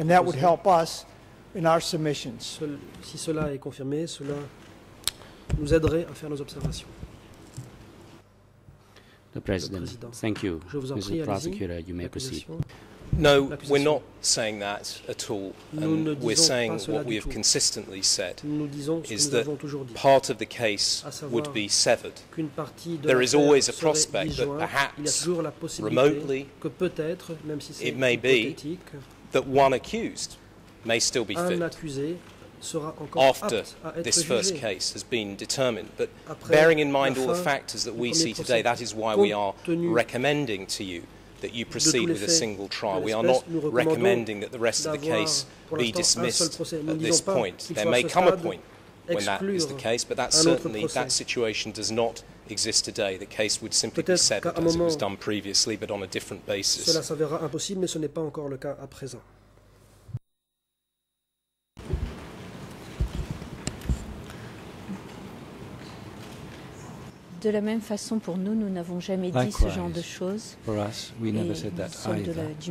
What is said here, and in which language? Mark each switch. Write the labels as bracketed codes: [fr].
[en] and that would help us in our submissions. [fr] Si cela est confirmé, cela nous aiderait à faire nos observations. [en] The President, thank you. [fr] Je vous en prie, [en] Mr. Prosecutor, you may proceed. No, we're not saying that at all. And we're saying what we have consistently said is that part of the case would be severed. There is always a prospect that perhaps, remotely, it may be that one accused may still be fit after this first case has been determined. But bearing in mind all the factors that we see today, that is why we are recommending to you that you proceed with a single trial. We are not recommending that the rest of the case be dismissed at this point. There may come a point when that is the case, but that situation does not exist today. The case would simply be severed as it was done previously, but on a different basis. [fr] Cela s'avérera impossible, mais ce n'est pas encore le cas à présent. De la même façon, pour nous, nous n'avons jamais dit ce genre de choses. Nous sommes du